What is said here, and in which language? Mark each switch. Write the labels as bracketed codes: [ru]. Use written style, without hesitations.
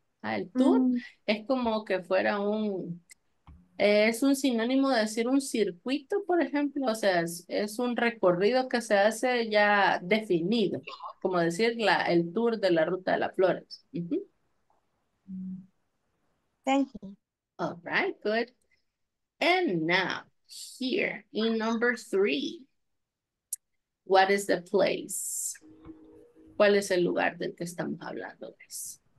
[es] El tour es como que fuera un... Es un sinónimo de decir un circuito, por ejemplo, o sea, es un recorrido que se hace ya definido, como decir el tour de la ruta de las flores. [en] Thank you. All right, good. And now, here, in number three, what is the place? [es] ¿Cuál es el lugar del que estamos hablando, guys?